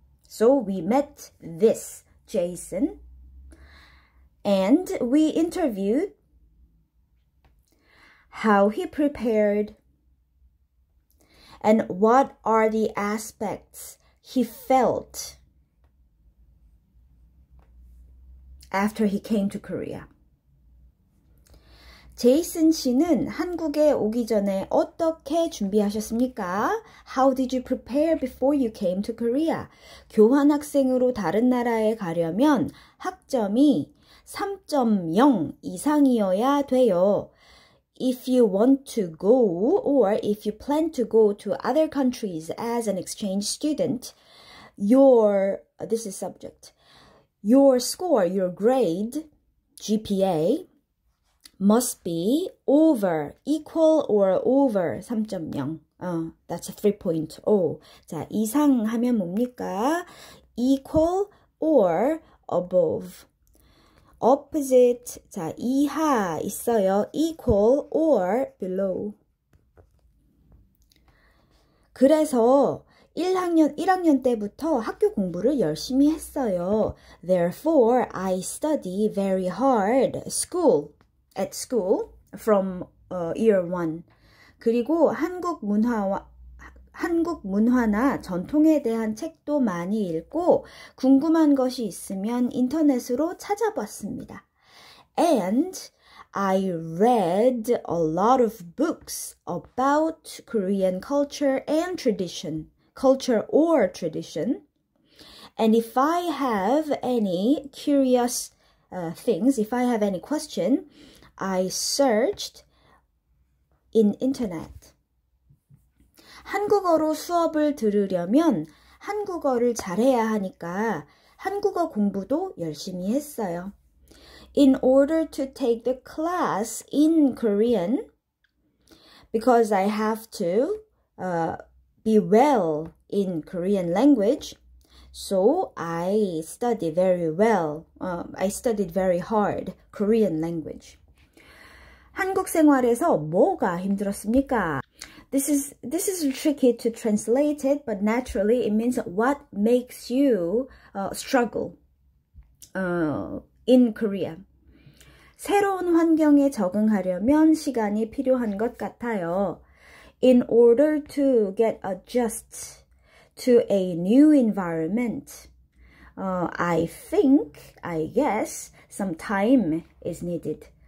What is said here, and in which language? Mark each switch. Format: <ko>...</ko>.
<en>So we met this Jason and we interviewed how he prepared and what are the aspects he felt after he came to Korea.</en> <ko>제이슨 씨는 한국에 오기 전에 어떻게 준비하셨습니까?</ko> <en>How did you prepare before you came to Korea?</en> <ko>교환학생으로 다른 나라에 가려면 학점이 3.0 이상이어야 돼요.</ko> <en>If you want to go or if you plan to go to other countries as an exchange student, this is subject. Your score, your grade, GPA, must be over, equal or over 3.0. That's a 3.0.</en> <ko>자, 이상 하면 뭡니까?</ko> <en>Equal or above. Opposite,</en> <ko>자, 이하 있어요.</ko> <en>Equal or below.</en> <ko>그래서 1학년 때부터 학교 공부를 열심히 했어요.</ko> <en>Therefore, I study very hard at school from year one.</en> <ko>그리고 한국 문화나 전통에 대한 책도 많이 읽고 궁금한 것이 있으면 인터넷으로 찾아봤습니다. And</ko> <en>read a lot of books about Korean culture and tradition, culture or tradition. And if I have any curious things, if I have any question, I searched in internet.</en> <ko>한국어로 수업을 들으려면 한국어를 잘해야 하니까 한국어 공부도 열심히 했어요.</ko> <en>In order to take the class in Korean, because I have to be well in Korean language, so I study very well. I studied very hard Korean language.</en> <ko>한국 생활에서 뭐가 힘들었습니까?</ko> <en>This is tricky to translate it, but naturally it means what makes you struggle in Korea.</en> <ko>새로운 환경에 적응하려면 시간이 필요한 것 같아요.</ko> <en>In order to get adjust to a new environment, I guess some time is needed.</en>